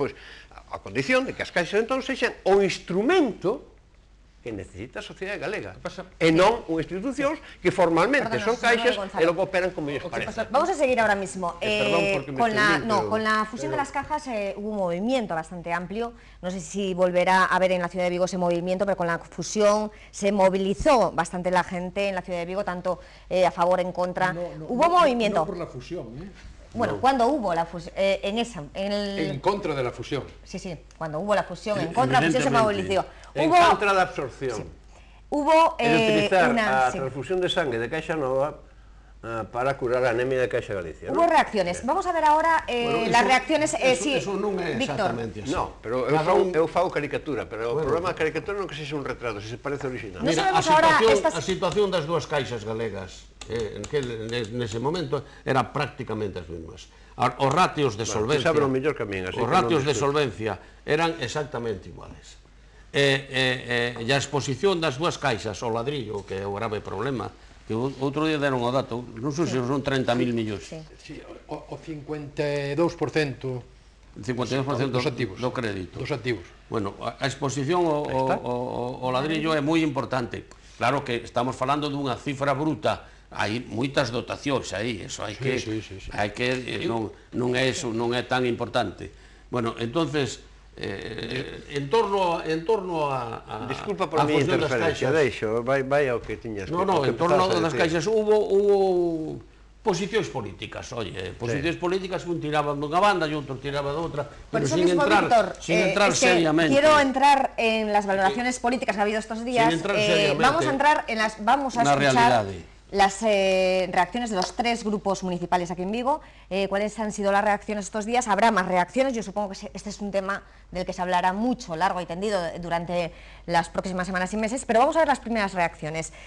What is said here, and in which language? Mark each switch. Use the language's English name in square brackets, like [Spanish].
[Galician] Pois, a condición de que as caixas, entón, sexan o instrumento que necesita a sociedade galega e non unha institución que formalmente son caixas e logo operan [Spanish] como ellos parecen. Vamos a seguir ahora mismo. Con la fusión de las cajas hubo un movimiento bastante amplio. No sé si volverá a haber en la ciudad de Vigo ese movimiento, pero con la fusión se movilizó bastante la gente en la ciudad de Vigo, tanto a favor, en contra. Hubo movimiento. No por la fusión, Bueno, ¿Cuándo hubo la fusión? En contra de la fusión. Sí, sí, cuando hubo la fusión, en contra de la fusión se movilizó. En contra de absorción. Sí. Hubo transfusión de sangre de Caixa Nova para curar la anemia de Caixa Galicia. Hubo reacciones. Sí. Vamos a ver ahora las reacciones. [Galician] Eso non é exactamente así. No, pero eu fago caricatura, pero o problema de caricatura non é que se xa un retrato, se se parece original. Mira, a situación das dúas caixas galegas nese momento era prácticamente as mesmas. Os ratios de solvencia, bueno, mellor que a mín, os ratios de solvencia eran exactamente iguales. E a exposición das dúas caixas, o ladrillo, que é o grave problema, que outro día deron o dato, non sei se son 30.000 millóns. Sí, o 52% dos activos. Do crédito. Dos activos. Bueno, a exposición o ladrillo é moi importante. Claro que estamos falando dunha cifra bruta, hai moitas dotacións aí, eso hai que... Hai que... Non é tan importante. Bueno, entonces... En torno a disculpa por a mi interferencia, deixo, vai ao que tiñas. No, en torno das caixas hubo posicións políticas, políticas, un tiraba dunha banda e outro tiraba de outra, pero [Spanish] sin entrar, Víctor, sin entrar seriamente. Quero entrar en las valoraciones políticas que ha habido estos días. Sin entrar seriamente. Vamos a escuchar [Galician] realidade. [Spanish] las reacciones de los tres grupos municipales aquí en Vigo. ¿Cuáles han sido las reacciones estos días? ¿Habrá más reacciones? Yo supongo que este es un tema del que se hablará mucho, largo y tendido, durante las próximas semanas y meses, pero vamos a ver las primeras reacciones.